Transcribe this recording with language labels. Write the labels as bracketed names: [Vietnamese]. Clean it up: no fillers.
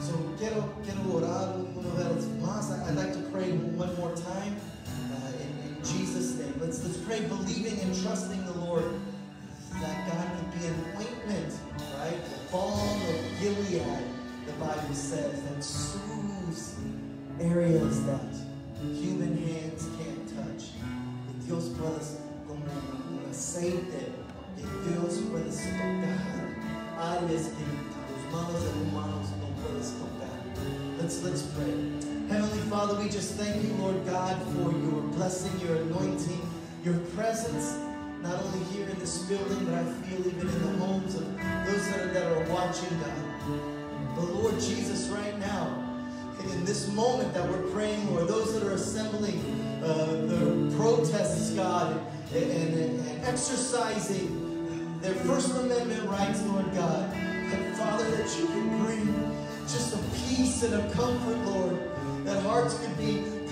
[English] So [Spanish] quiero orar una vez más. [English] I'd like to pray one more time in Jesus' name. Let's pray believing and trusting the Lord that God could be an ointment, right? The balm of Gilead, the Bible says, that soothes areas that human hands can't touch. [Spanish] Que Dios puede como un aceite, que Dios puede tocar áreas que los manos de humanos no pueden tocar. [English] Let's pray. Heavenly Father, we just thank you, Lord God, for your blessing, your anointing, your presence, not only here in this building, but I feel even in the homes of those that are watching, God. But Lord Jesus, right now, and in this moment that we're praying, Lord, those that are assembling their protests, God, and exercising their First Amendment rights, Lord God, and Father, that you can bring just a peace and a comfort, Lord, that hearts could be,